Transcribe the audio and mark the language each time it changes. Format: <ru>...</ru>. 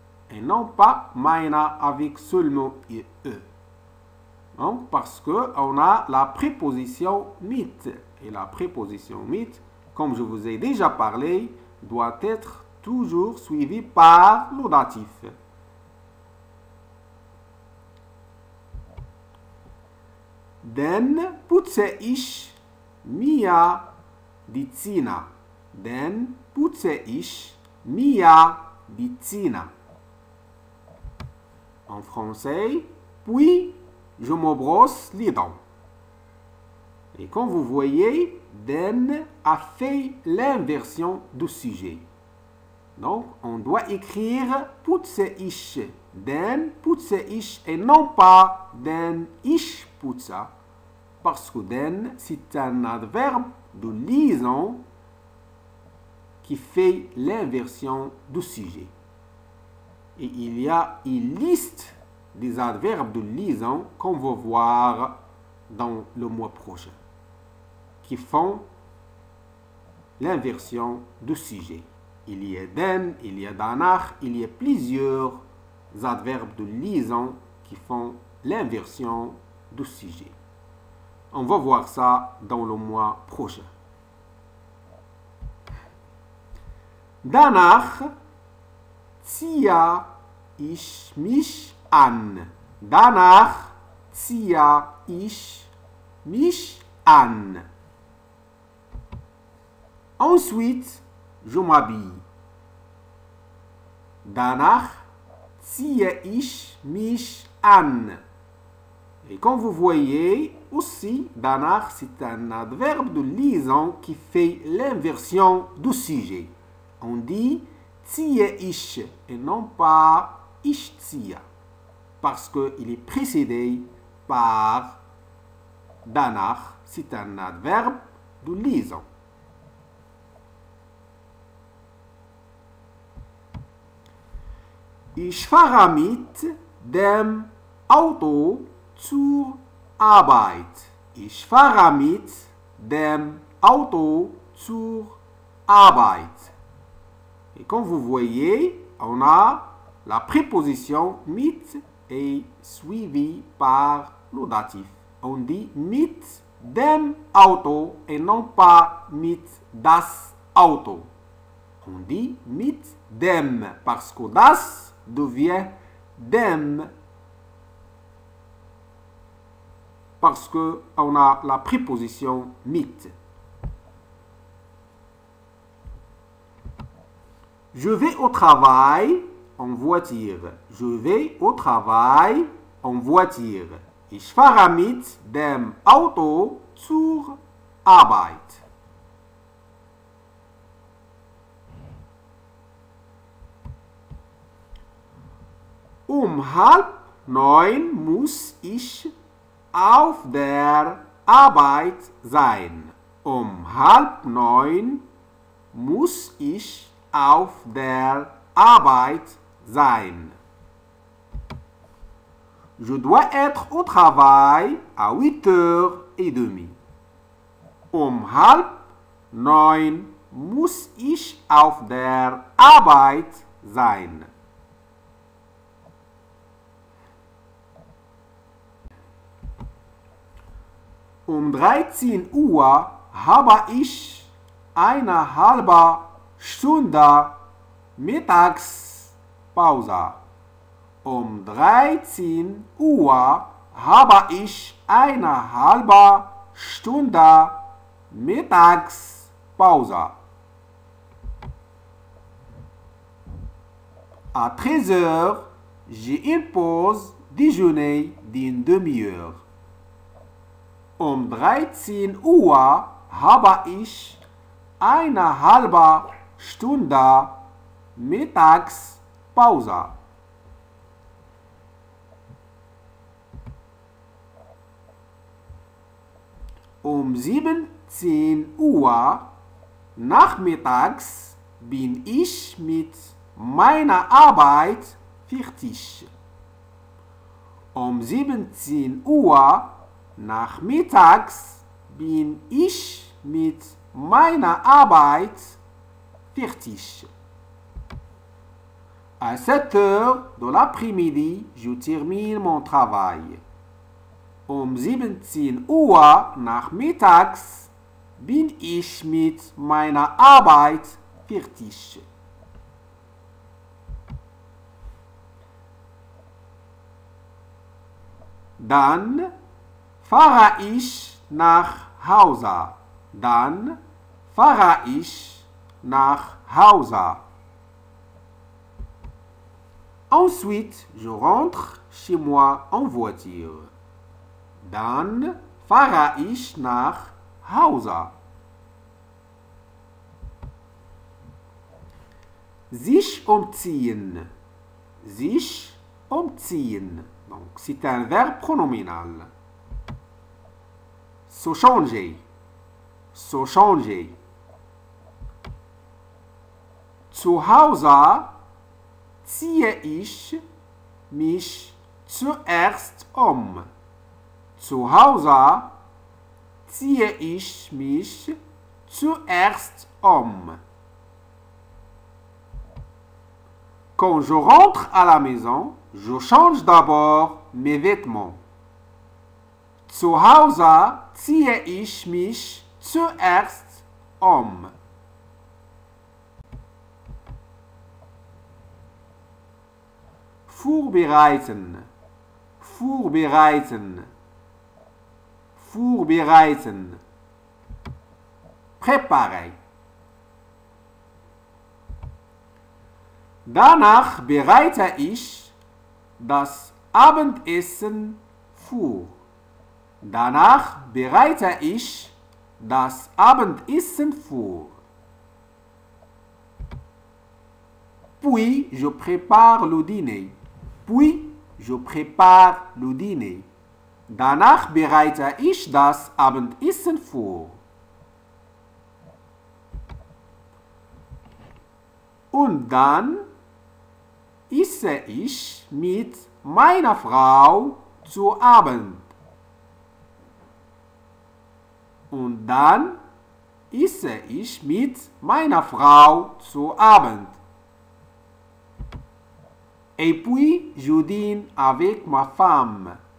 <fr>Et non pas meiner avec seulement IE. Donc, parce que on a la préposition mit. Et la préposition mit, comme je vous ai déjà parlé, doit être toujours suivie par le datif.</fr> <de>Den putze ich mia die Zina. Den putze ich mia die Zina.</de> <fr>En français, puis je me brosse les dents. Et comme vous voyez, den a fait l'inversion du sujet. Donc, on doit écrire</fr> <de>putze ich. Den putze ich</de> <fr>et non pas</fr> <de>den ich putze.</de> <fr>Parce que den, c'est un adverbe de liaison qui fait l'inversion du sujet. Et il y a une liste des adverbes de liaison qu'on va voir dans le mois prochain. Qui font l'inversion du sujet. Il y a dem, il y a danach, il y a plusieurs adverbes de liaison qui font l'inversion du sujet. On va voir ça dans le mois prochain.</fr> <de>Danach, tia ich mich an. Danach, tia ich mich an.</de> <fr>Ensuite, je m'habille.</fr> <de>Danach, ziehe ich mich an.</de> <fr>Et comme vous voyez aussi, danach, c'est un adverbe de liaison qui fait l'inversion du sujet. On dit</fr> <de>ziehe ich</de> <fr>et non pas</fr> <de>ich ziehe,</de> <fr>parce qu'il est précédé par danach. C'est un adverbe de liaison.</fr> <de>Ich fahre mit dem Auto zur Arbeit. Ich fahre mit dem Auto zur Arbeit.</de> <fr>Et comme vous voyez, on a la préposition mit est suivie par le datif. On dit</fr> <de>mit dem Auto</de> <fr>et non pas</fr> <de>mit das Auto.</de> <fr>On dit mit dem parce que das devient dem parce que on a la préposition mit. Je vais au travail en voiture. Je vais au travail en voiture.</fr> <de>Ich fahre mit dem Auto zur Arbeit. Um 8:30 muss ich auf der Arbeit sein. Um 8:30 muss ich auf der Arbeit sein.</de> <fr>Je dois être au travail à 8h30.</fr> <de>Um 8:30 muss ich auf der Arbeit sein. Um 13 Uhr habe ich eine halbe Stunde Mittagspause. Um 13 Uhr habe ich eine halbe Stunde Mittagspause.</de> <fr>À 13h, j'ai une pause déjeuner d'une demi-heure.</fr> <de>Um 13 Uhr habe ich eine halbe Stunde Mittagspause. Um 17 Uhr nachmittags bin ich mit meiner Arbeit fertig. Um 17 Uhr nachmittags bin ich mit meiner Arbeit fertig.</de> <fr>À 7h de l'après-midi, je termine mon travail.</fr> <de>Um 17 Uhr nachmittags bin ich mit meiner Arbeit fertig. Dann fahre ich nach Hause. Dann fahre ich nach Hause.</de> <fr>Ensuite, je rentre chez moi en voiture.</fr> <de>Dann fahre ich nach Hause. Sich umziehen. Sich umziehen.</de> <fr>Donc, c'est un verbe pronominal. Se changer. Se changer.</fr> <de>Zuhause ziehe ich mich zuerst um. Zu Hause ziehe ich mich zuerst um.</de> <fr>Quand je rentre à la maison, je change d'abord mes vêtements.</fr> <de>Zu Hause ziehe ich mich zuerst um. Vorbereiten. Vorbereiten. Vorbereiten.</de> <fr>Préparer.</fr> <de>Danach bereite ich das Abendessen vor. Danach bereite ich das Abendessen vor.</de> <fr>Puis je prépare le dîner. Puis je prépare le dîner.</fr> <de>Danach bereite ich das Abendessen vor. Und dann esse ich mit meiner Frau zu Abend. Und dann esse ich mit meiner Frau zu Abend.</de> <fr>Et puis je dîne avec ma femme.</fr>